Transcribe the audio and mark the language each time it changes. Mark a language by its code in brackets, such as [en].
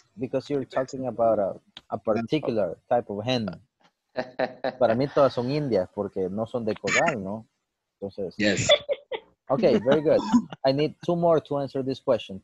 [en] Because you're talking about a particular type of hen. [es] Para mí todas son indias porque no son de corral, ¿no? Entonces. [en] Yes. Okay, very good. I need two more to answer this question.